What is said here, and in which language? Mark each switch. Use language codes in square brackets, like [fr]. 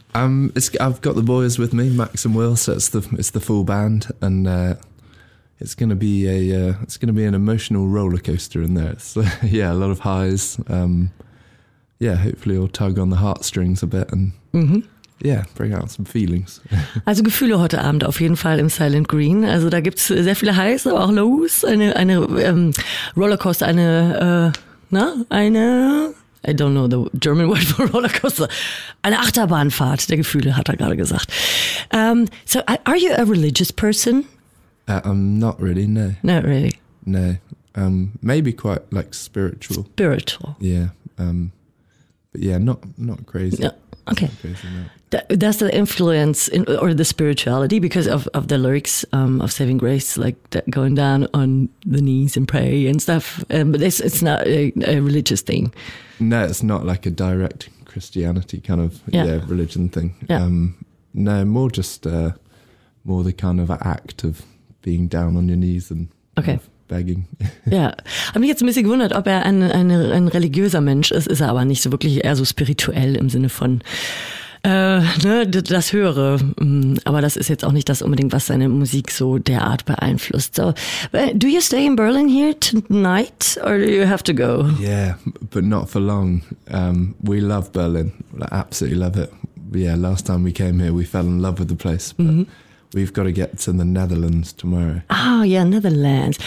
[en] I've got the boys with me, Max and Will, so it's the full band, and it's gonna be an emotional roller coaster in there. So yeah, a lot of highs. Hopefully it'll tug on the heartstrings a bit and bring out some feelings. [de] Also Gefühle heute Abend auf jeden Fall im Silent Green. Also da gibt's sehr viele Highs, aber auch Lows, [en] I don't know the German word for rollercoaster. [de] Eine Achterbahnfahrt der Gefühle, hat er gerade gesagt. [en] So, are you a religious person? I'm not really, no. Not really? No. Maybe quite like spiritual. Spiritual. Yeah. But yeah, not crazy. No. Okay. Not crazy, no. That's the influence or the spirituality because of the lyrics of Saving Grace, like that going down on the knees and pray and stuff. But it's not a religious thing. No, it's not like a direct Christianity kind of religion thing. Yeah. No, more just more the kind of act of being down on your knees and begging. [de] Ja, habe mich jetzt ein bisschen gewundert, ob er ein religiöser Mensch ist. Ist er aber nicht so wirklich, eher so spirituell im Sinne von das Höhere. Aber das ist jetzt auch nicht das unbedingt, was seine Musik so derart beeinflusst. [en] So, do you stay in Berlin here tonight or do you have to go? Yeah, but not for long. We love Berlin. Like, absolutely love it. Yeah, last time we came here, we fell in love with the place. We've got to get to the Netherlands tomorrow. Oh, yeah, Netherlands.